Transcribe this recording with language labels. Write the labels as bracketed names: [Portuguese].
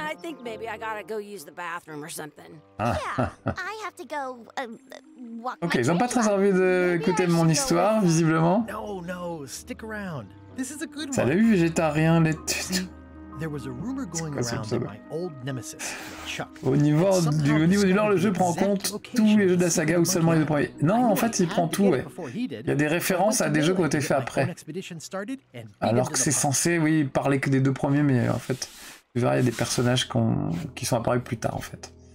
[English] I think maybe I gotta go use the bathroom or something. Yeah, I have to go. [French] Ok, ils ont pas très envie d'écouter mon histoire, visiblement. [English] No, stick around. This is a good one. [French] Salut, végétarien, les tutus. [English] There was a rumor going around that my old nemesis, Chuck. [French] Au niveau du lore, le jeu prend en compte tous les jeux de la saga ou seulement les deux premiers. Non, en fait, il prend tout, ouais. Il y a des références à des jeux qui ont été faits après. Alors que c'est censé, oui, parler que des deux premiers, mais en fait, tu verras, il y a des personnages qui sont apparus plus tard, en fait.